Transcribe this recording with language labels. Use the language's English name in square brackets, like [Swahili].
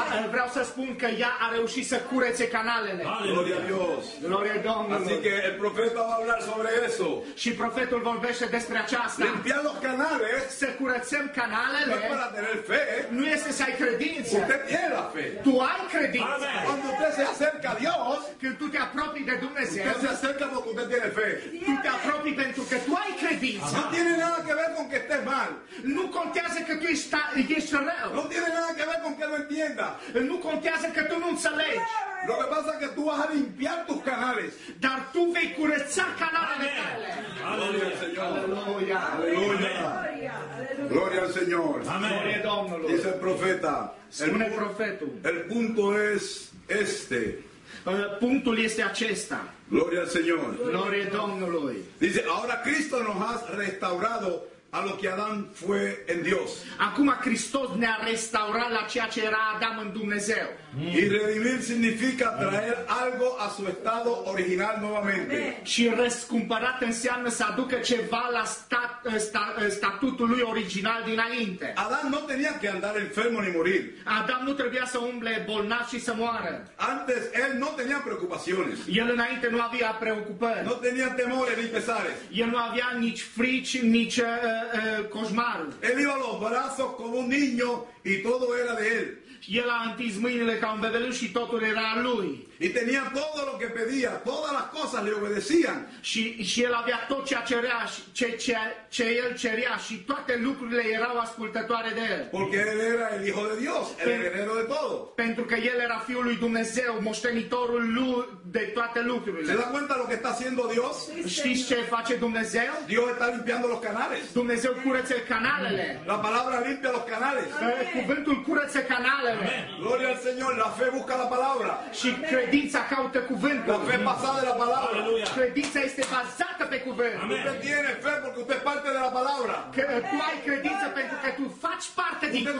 [Romanian] Vreau să spun că ea a reușit să curețe canalele. [Spanish] Gloria Dios. [Romanian] Gloria Domnului. [Spanish] Así que el profeta va hablar sobre eso. [Romanian] Și profetul vorbește despre aceasta. [Spanish] Limpiar los canales. [Romanian] Să curățăm canalele. [Spanish] No es para tener fe. [Romanian] Nu este să ai credință. [Spanish] Usted tiene la fe. [Romanian] Tu ai credință. Amen. [Spanish] Cuando usted se acerca a Dios. [Romanian] Când tu te apropii de Dumnezeu. [Spanish] Usted se acerca porque usted tiene fe. [Romanian] Tu te apropii pentru că tu ai credință. [Spanish] No tiene nada que ver con que estés mal. [Romanian] Nu contează că tu ești rău. [Spanish] No tiene nada que ver con que lo entienda. [Romanian] Nu contează că tu nu înțelegi. [Spanish] Lo que pasa es que tú vas a limpiar tus canales. [Romanian] Dar tu vei curăța canalele tale. Aleluia, [Spanish] Señor. Aleluia. Gloria al Señor. [Romanian] Amén. Gloria al Domnului. [Spanish] Dice el profeta. [Romanian] Spune profetul. [Spanish] El punto es este. [Romanian] Punctul este acesta. [Spanish] Gloria al Señor. [Romanian] Gloria al Domnului. [Spanish] Dice, ahora Cristo nos ha restaurado a lo que Adán fue en Dios. [Romanian] Acum Hristos ne-a restaurat la ceea ce era Adam în Dumnezeu. [Spanish] Y redimir significa traer algo a su estado original nuevamente. [Romanian] Și răscumpărat înseamnă să aducă ceva la statutul lui original dinainte. [Spanish] Adam no tenía que andar enfermo ni morir. [Romanian] Adam nu trebuia să umble bolnav și să moară. [Spanish] Antes él no tenía preocupaciones. [Romanian] El înainte nu avea preocupări. [Spanish] No tenía temores ni pesares. [Romanian] El nu avea nici frici, nici coșmar. [Spanish] El iba a los brazos como un niño y todo era de él. [Romanian] El a întins mâinile ca un bebeluș și totul era al lui. [Spanish] Y tenía todo lo que pedía, todas las cosas le obedecían. [Romanian] Și el avea tot ceea ce cerea, ce el cerea și toate lucrurile erau ascultătoare de el. [Spanish] Porque él era el hijo de Dios, el heredero de todo. [Romanian] Pentru că el era fiul lui Dumnezeu, moștenitorul lui de toate lucrurile. [Spanish] ¿Se da cuenta lo que está haciendo Dios? [Romanian] Știți ce face Dumnezeu? [Spanish] Dios está limpiando los canales. [Romanian] Dumnezeu curăță canalele. [Spanish] La palabra limpia los canales. [Romanian] Cuvântul curăță canalele. [Spanish] Gloria al Señor, la fe busca la palabra. [Romanian] Și credința caută cuvântul. [Spanish] La fe basada la palabra. Aleluia. [Romanian] Credința este bazată pe cuvânt. Amen. [Spanish] Usted tiene fe porque usted es parte de la palabra. [Romanian] Tu ai credință pentru că tu faci parte din cuvânt.